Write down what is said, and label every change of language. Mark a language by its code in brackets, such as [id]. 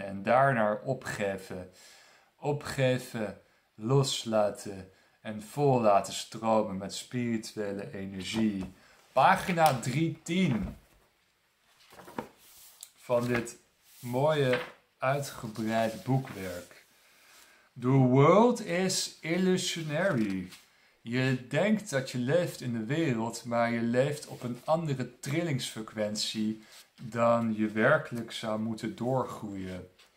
[nl] En daarna opgeven. Opgeven, loslaten en vol laten stromen met spirituele energie. Pagina 310 van dit mooie uitgebreid boekwerk. [en] The world is illusionary. [nl] Je denkt dat je leeft in de wereld, maar je leeft op een andere trillingsfrequentie dan je werkelijk zou moeten doorgroeien.